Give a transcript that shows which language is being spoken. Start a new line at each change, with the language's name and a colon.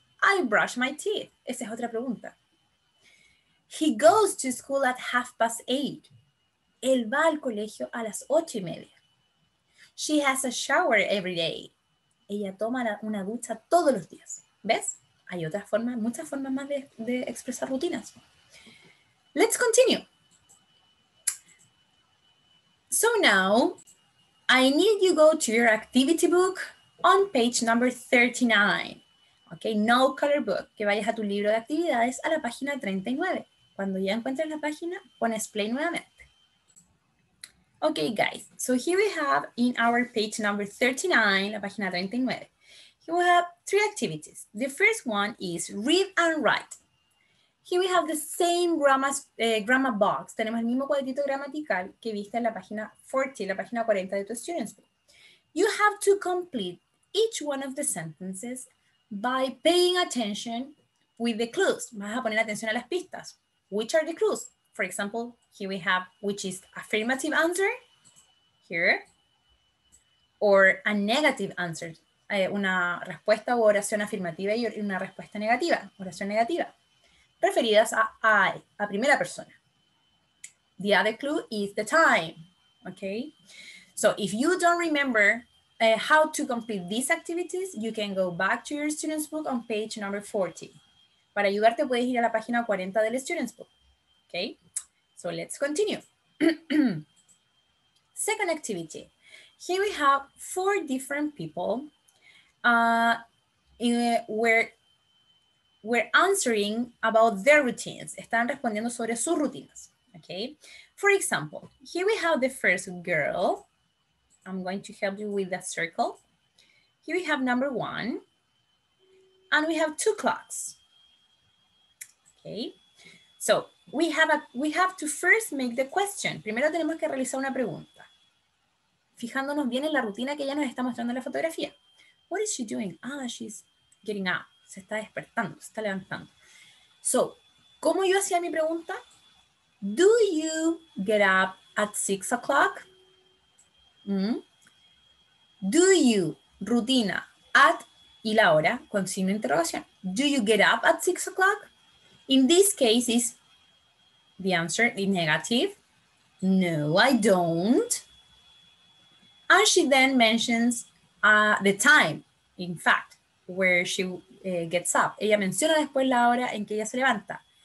English: I brush my teeth.
Spanish: Esa es otra pregunta.
English: He goes to school at 8:30.
Spanish: Él va al colegio a las 8:30.
English: She has a shower every day.
Spanish: Ella toma una ducha todos los días. ¿Ves? Hay otras formas, muchas formas más de expresar rutinas.
English: Let's continue. So now, I need you go to your activity book on page number 39. Okay, no color book.
Spanish: Que vayas a tu libro de actividades a la página 39. Cuando ya encuentres la página, pones play nuevamente.
English: Okay, guys. So here we have in our page number 39,
Spanish: la página 39.
English: Here we have 3 activities. The first one is read and write. Here we have the same grammar box.
Spanish: Tenemos el mismo cuadrito gramatical que viste en la página 40, la página 40 de tu student's book.
English: You have to complete each one of the sentences by paying attention with the clues.
Spanish: Vas a poner atención a las pistas.
English: Which are the clues? For example, here we have which is affirmative answer here or a negative answer.
Spanish: Una respuesta o oración afirmativa y una respuesta negativa. Oración negativa. Referidas a I, a primera persona.
English: The other clue is the time. Okay. So if you don't remember how to complete these activities, you can go back to your student's book on page number 40.
Spanish: Para ayudarte puedes ir a la página 40 del student's book.
English: Okay, so let's continue. Second activity. Here we have 4 different people we're answering about their routines.
Spanish: Están respondiendo sobre sus rutinas.
English: Okay, for example, here we have the first girl. I'm going to help you with the circle. Here we have number 1. And we have 2 clocks. Okay, so we have to first make the question.
Spanish: Primero tenemos que realizar una pregunta. Fijándonos bien en la rutina que ella nos está mostrando en la fotografía.
English: What is she doing? Ah, she's getting up.
Spanish: Se está despertando, se está levantando.
English: So,
Spanish: ¿cómo yo hacía mi pregunta?
English: Do you get up at 6 o'clock? Do you, rutina, at
Spanish: y la hora con signo de interrogación.
English: Do you get up at 6 o'clock? In this case, is the answer is negative. No, I don't. And she then mentions the time, in fact, where she gets up.
Spanish: Ella menciona después la hora en que ella se levanta.